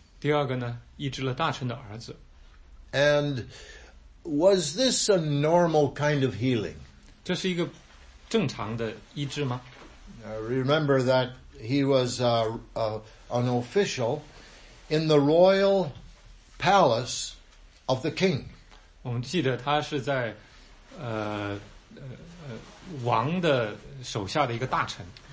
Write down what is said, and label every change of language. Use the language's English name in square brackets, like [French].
[Chinese] 第二个呢，医治了大臣的儿子。 [English] And was this a normal kind of healing? [Chinese] 这是一个正常的医治吗？ [English] Remember that he was an official in the royal palace of the king. [Chinese] 我们记得他是在王的手下的一个大臣。